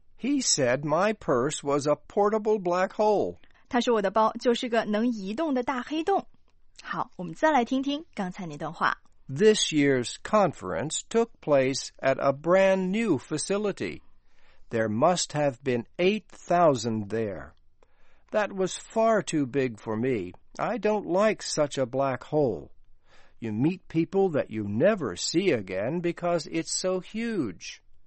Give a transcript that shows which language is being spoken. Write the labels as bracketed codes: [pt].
[en] He said my purse was a portable black hole. [zh] 他说我的包就是个能移动的大黑洞。好，我们再来听听刚才那段话。 [en] This year's conference took place at a brand new facility. There must have been 8,000 there. That was far too big for me. I don't like such a black hole. You meet people that you never see again because it's so huge.